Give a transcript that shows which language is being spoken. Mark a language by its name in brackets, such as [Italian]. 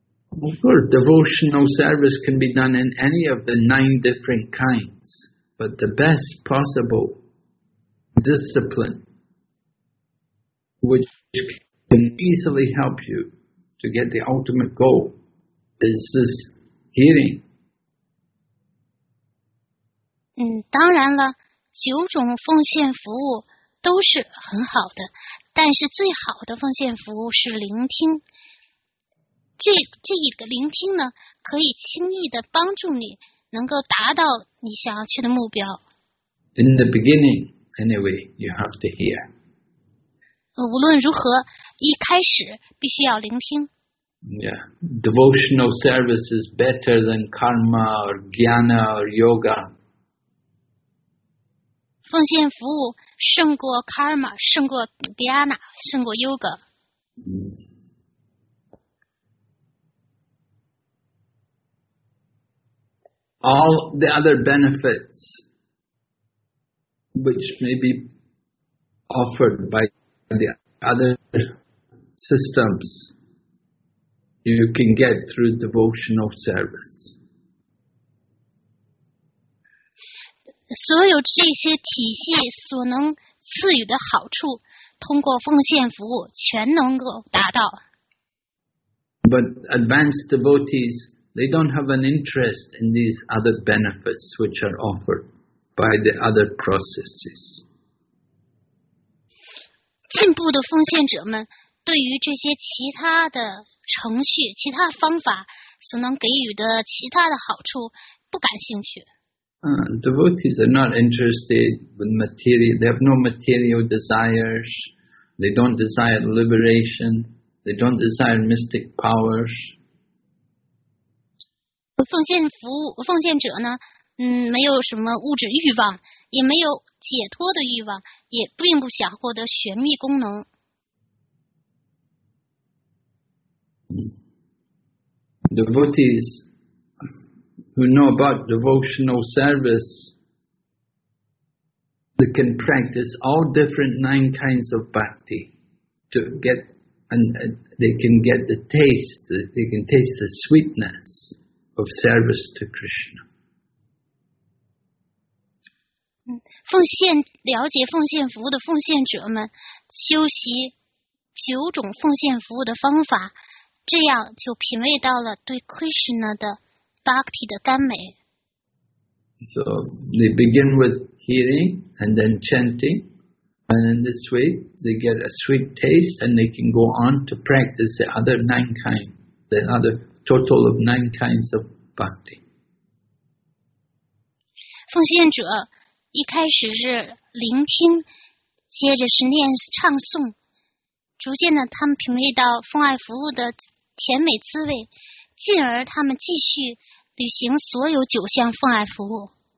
[English] Of course, devotional service can be done in any of the 9 different kinds, but the best possible discipline which can easily help you to get the ultimate goal is this hearing. [Chinese] 当然了，九种奉献服务都是很好的，但是最好的奉献服务是聆听。这一个聆听呢，可以轻易的帮助你能够达到你想要去的目标。 [English] In the beginning, anyway, you have to hear. [Chinese] 无论如何，一开始必须要聆听。 [English] Yeah, devotional service is better than karma or jnana or yoga. [Chinese] 奉献服务胜过 karma, 胜过 jnana, 胜过 yoga. [English] All the other benefits, which may be offered by the other systems, you can get through devotional service. [Chinese] 所有这些体系所能赐予的好处，通过奉献服务全能够达到。 [English] But advanced devotees, they don't have an interest in these other benefits which are offered by the other processes. [Chinese] 进步的奉献者们对于这些其他的程序、其他方法所能给予的其他的好处不感兴趣。 [English] Devotees are not interested with material. They have no material desires. They don't desire liberation. They don't desire mystic powers. [Chinese] 奉献者呢？没有什么物质欲望，也没有解脱的欲望，也并不想获得玄秘功能。 [English] Devotees who know about devotional service, they can practice all different 9 kinds of bhakti to get, and they can get the taste, they can taste the sweetness of service to Krishna. [Chinese] 奉献了解奉献服务的奉献者们修习九种奉献服务的方法，这样就品味到了对 Krishna 的 Bhakti 的甘美。 [English] So they begin with hearing and then chanting, and in this way they get a sweet taste and they can go on to practice the other 9 kinds, the other total of 9 kinds of Bhakti. [Chinese] 奉献者一开始是聆听，接着是念唱诵，逐渐的他们品味到奉爱服务的甜美滋味，进而他们继续履行所有九项奉爱服务。